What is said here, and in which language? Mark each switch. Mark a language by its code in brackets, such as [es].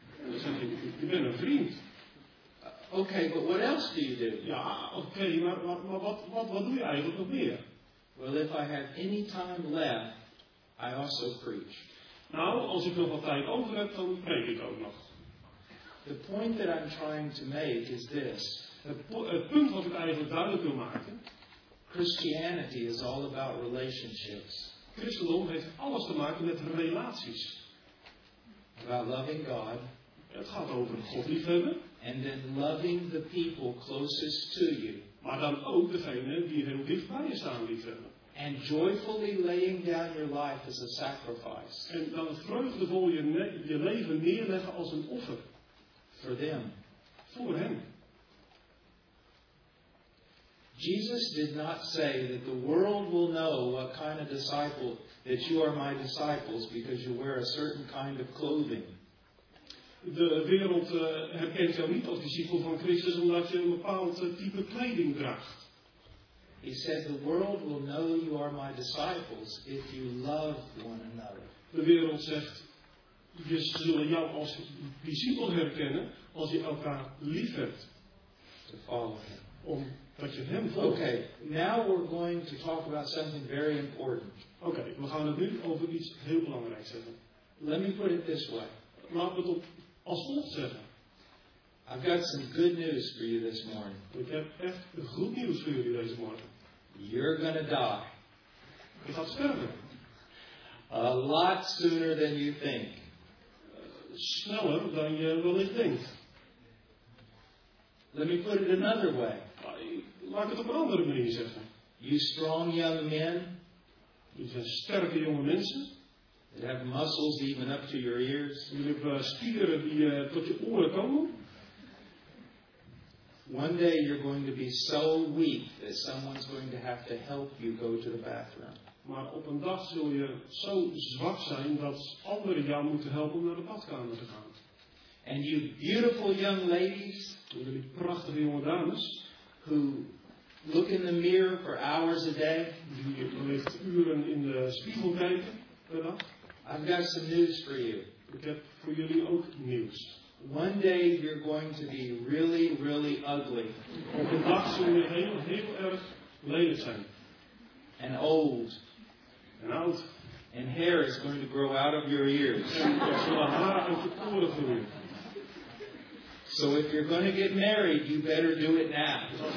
[nl] Dan zeg ik, je bent een vriend. [en] Okay, but what else do you do? [nl] Ja, okay, maar wat doe je eigenlijk nog meer? [en] Well, if I have any time left, I also preach. [nl] Nou, als ik nog wat tijd over heb, dan preek ik ook nog. [en] The point that I'm trying to make is this. [nl] Het punt wat ik eigenlijk duidelijk wil maken. [en] Christianity is all about relationships. [nl] Christendom heeft alles te maken met relaties. [en] About loving God. [nl] Het gaat over God liefhebben. [en] And then loving the people closest to you. [nl] Maar dan ook degene die heel dicht bij je staan liefhebben. [en] And joyfully laying down your life as a sacrifice. [nl] En dan vreugdevol je leven neerleggen als een offer. [en] For them. [nl] Voor hen. [en] Jesus did not say that the world will know what kind of disciple that you are my disciples because you wear a certain kind of clothing. [nl] De wereld herkent jou niet als discipel van Christus omdat je een bepaald type kleding draagt. [en] He said the world will know you are my disciples if you love one another. [nl] De wereld zegt, je zullen jou als discipel herkennen als je elkaar lief hebt. [en] To follow him. [nl] Omdat je hem volgt. [en] Okay, now we're going to talk about something very important. [nl] Okay, we gaan het nu over iets heel belangrijks hebben. [en] Let me put it this way. [nl] Laat me het op als volgt zeggen. [en] I've got some good news for you this morning. [nl] Ik heb echt goed nieuws voor jullie deze morgen. [en] You're gonna die. [nl] Je gaat sterven. [en] A lot sooner than you think. [nl] Sneller dan je wellicht denkt. [en] Let me put it another way. [nl] Laat het op een andere manier zeggen. [en] You strong young men. [nl] Je zijn sterke jonge mensen. [en] You have muscles even up to your ears. [nl] Je hebt spieren die tot je oren komen. [en] One day you're going to be so weak that someone's going to have to help you go to the bathroom. [nl] Maar op een dag zul je zo zwak zijn dat anderen jou moeten helpen om naar de badkamer te gaan. [en] And you beautiful young ladies, [nl] jullie prachtige jonge dames, [en] who look in the mirror for hours a day, [nl] die wellicht uren in de spiegel kijken per dag. [en] I've got some news for you. [nl] Ik heb voor jullie ook nieuws. [en] One day you're going to be really, really ugly. [nl] Op een dag zul je heel erg lelijk zijn. [en] And old. [nl] And oud. [en] And hair is going to grow out of your ears. So if you're going to get married, you better do it now.